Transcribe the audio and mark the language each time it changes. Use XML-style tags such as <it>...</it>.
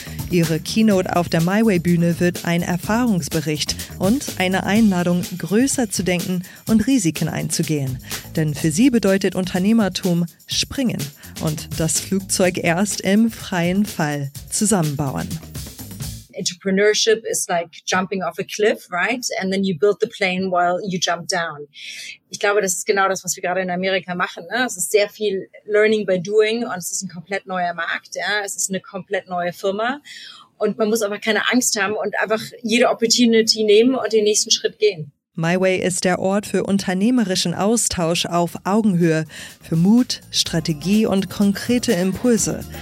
<de>Ihre Keynote auf der MyWay-Bühne wird ein Erfahrungsbericht und eine Einladung, größer zu denken und Risiken einzugehen. Denn für sie bedeutet Unternehmertum springen und das Flugzeug erst im freien Fall zusammenbauen.</de> <en>Entrepreneurship is like jumping off a cliff, right? And then you build the plane while you jump down.</en> <de>Ich glaube, das ist genau das, was wir gerade in Amerika machen. Ne? Es ist sehr viel learning by doing und es ist ein komplett neuer Markt. Ja? Es ist eine komplett neue Firma und man muss einfach keine Angst haben und einfach jede Opportunity nehmen und den nächsten Schritt gehen. MyWay ist der Ort für unternehmerischen Austausch auf Augenhöhe, für Mut, Strategie und konkrete Impulse.</de>